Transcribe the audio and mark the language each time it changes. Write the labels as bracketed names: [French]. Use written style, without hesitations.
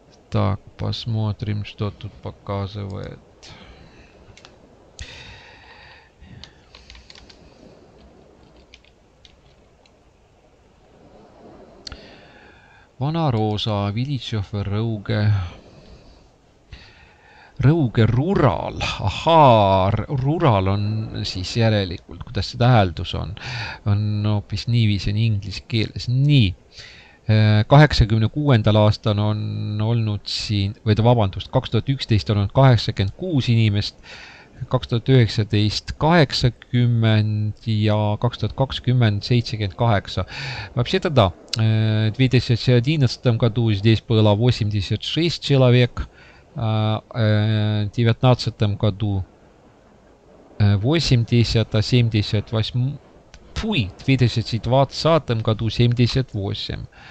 [Russian] Так, посмотрим, что тут показывает. Вана Роза, Вилитшофер, Рауге. Рауге Рурал. [Estonian] Аха, Рурал он, siis järelikult, kuidas see tähendus on, on hoopis niivise on inglis keeles. Nii, 86. aastal on olnud siin, või ta vabandust, 2011 on olnud 86 inimest, 2019 80 ja 2020 78. [Russian] Вообще тогда, 2011 году здесь было 86 человек, в 2019 году 80, а 78, фуй, 2020 году 78.